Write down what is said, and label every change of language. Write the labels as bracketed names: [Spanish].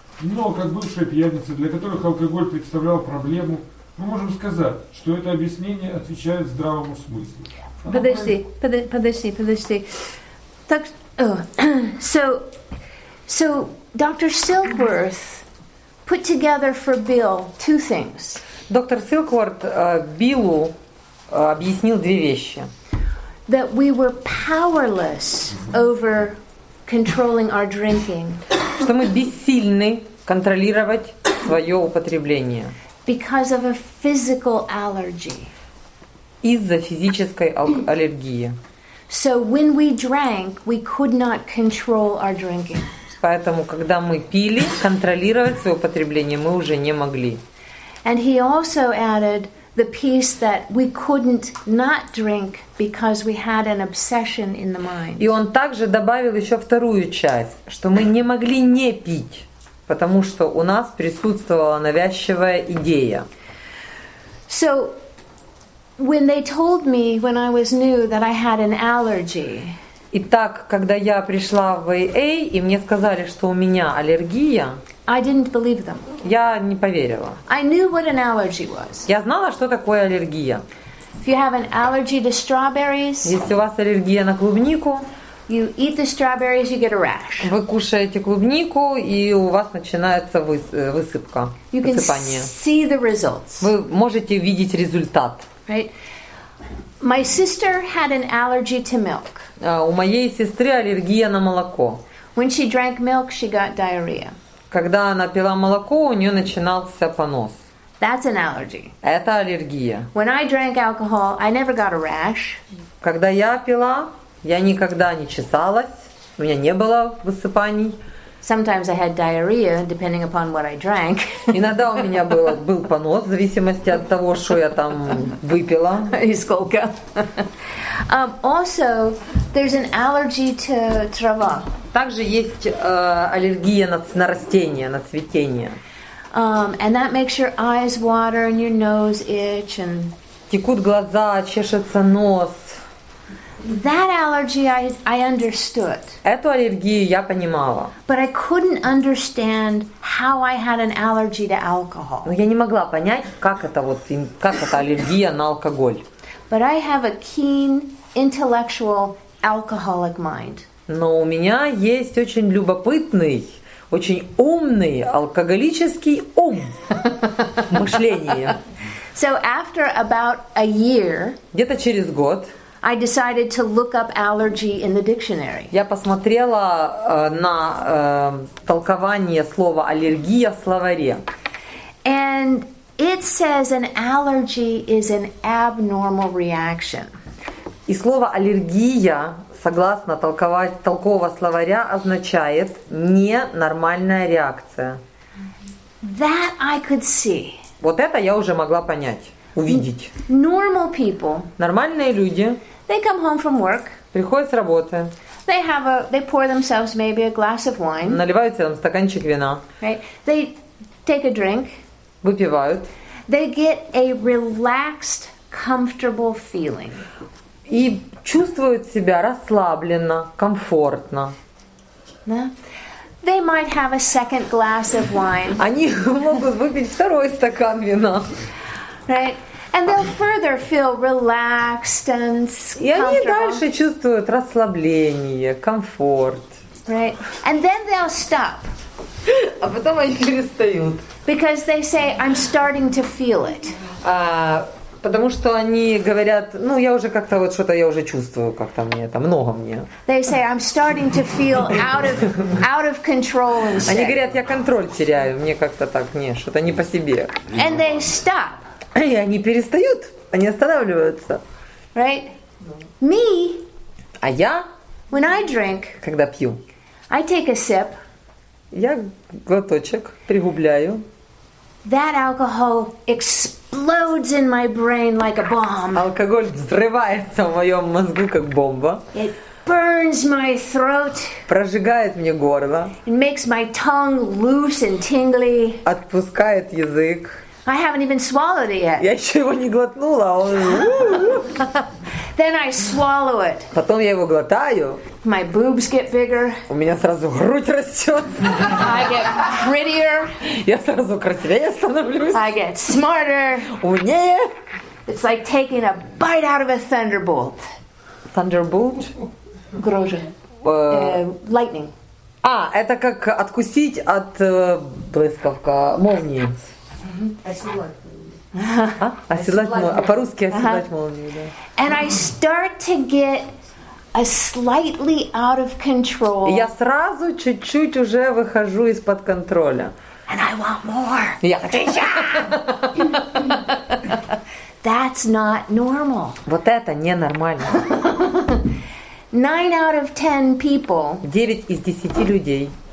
[Russian] Но, как бывшие пьяницы, для которых алкоголь представлял проблему, мы можем сказать, что это объяснение отвечает здравому смыслу. Подожди. Так, [English] so доктор Silkworth put together for Bill two things. [Russian] Доктор Силкворт Биллу объяснил две вещи. [English] That we were powerless over controlling our drinking. [Russian] Что мы бессильны контролировать свое употребление. [English] Because of a physical allergy. [Russian] Из-за физической аллергии. [English] So when we drank, we could not control our drinking. [Russian] Поэтому, когда мы пили, контролировать свое употребление мы уже не могли. [English] And he also added the piece that we couldn't not drink because we had an obsession in the mind. [Russian] И он также добавил еще вторую часть, что мы не могли не пить, потому что у нас присутствовала навязчивая идея. [English] So when they told me when I was new that I had an allergy. [Russian] Итак, когда я пришла в AA, и мне сказали, что у меня аллергия, [English] I didn't believe them. [Russian] Я не поверила. [English] I knew what an allergy was. [Russian] Я знала, что такое аллергия. [English] If you have an allergy to strawberries, [Russian] если у вас аллергия на клубнику, [English] you eat the strawberries, you get a rash. [Russian] Вы кушаете клубнику, и у вас начинается высыпка, [English] you can [Russian] высыпание. [English] See the results. [Russian] Вы можете видеть результат. [English] Right? My sister had an allergy to milk. [Russian] У моей сестры аллергия на молоко. [English] When she drank milk, she got diarrhea. [Russian] Когда она пила молоко, у нее начинался понос. [English] That's an allergy. [Russian] Это аллергия. [English] When I drank alcohol, I never got a rash. [Russian] Когда я пила, я никогда не чесалась, у меня не было высыпаний. [English] Sometimes I had diarrhea, depending upon what I drank. [Russian] Иногда у меня был понос, в зависимости от того, что я там выпила. И сколько. [English] Also, there's an allergy to [Russian] трава. Также есть аллергия на растения, на цветение. [English] And that makes your eyes water and your nose itch and. [Russian] Текут глаза, чешется нос. [English] That allergy I understood. [Russian] Эту аллергию я понимала. [English] But I couldn't understand how I had an allergy to alcohol. [Russian] Но я не могла понять, как это аллергия на алкоголь. [English] But I have a keen intellectual alcoholic mind. [Russian] Но у меня есть очень любопытный, очень умный алкоголический ум. Мышление. [English] So after about a year, [Russian] где-то через год, [English] I decided to look up allergy in the dictionary. [Russian] Я посмотрела на толкование слова аллергия в словаре. [English] And it says an allergy is an abnormal reaction. [Russian] И слово аллергия, согласно толкового словаря, означает ненормальная реакция. [English] That I could see. [Russian] Вот это я уже могла понять, увидеть. [English] Normal people. [Russian] Нормальные люди. [English] They come home from work. [Russian] Приходят с работы. [English] They pour themselves maybe a glass of wine. [Russian] Наливают себе там стаканчик вина. [English] Right. They take a drink. [Russian] Выпивают. [English] They get a relaxed, comfortable feeling. [Russian] И чувствуют себя расслабленно, комфортно. Да. [English] They might have a second glass of wine. [Russian] Они могут выпить второй стакан вина. [English] Right. And they'll further feel relaxed and comfortable. [Russian] И они дальше чувствуют расслабление, комфорт. [English] Right. And then they'll stop. [Russian] А потом они перестают. [English] Because they say, I'm starting to feel it. [Russian] Потому что они говорят, ну я уже как-то вот что-то я уже чувствую, как-то мне это много мне. [English] They say, I'm starting to feel out of control. [Russian] Они говорят, я контроль теряю, мне как-то так, не, что-то не по себе. [English] And they stop. [Russian] И они перестают, они останавливаются. [English] Right? Me. [Russian] А я? [English] When I drink. [Russian] Когда пью. [English] I take a sip. [Russian] Я глоточек пригубляю. [English] That alcohol explodes in my brain like a bomb. [Russian] Алкоголь взрывается в моем мозгу как бомба. [English] It burns my throat. [Russian] Прожигает мне горло. [English] It makes my tongue loose and tingly. [Russian] Отпускает язык. [English] I haven't even swallowed it yet. [Russian] Я еще его не глотнула. [English] Then I swallow it. [Russian] Потом я его глотаю. [English] My boobs get bigger. [Russian] У меня сразу грудь растет. [English] I get prettier. [Russian] Я сразу красивее становлюсь. [English] I get smarter. [Russian] Умнее. [English] It's like taking a bite out of a thunderbolt. Thunderbolt? [Russian] Грозже. [English] Lightning. [Russian] А, это как откусить от блесковка молнии. Оседлать, по-русски оседлать молнию, да. [English] And I start to get a slightly out of control. [Russian] Я сразу чуть-чуть уже выхожу из-под контроля. [English] And I want more. [Russian] Я хочу. [English] That's not normal. [Russian] Вот это ненормально. [English] 9 out of 10 people. [Russian] 9 из 10 людей.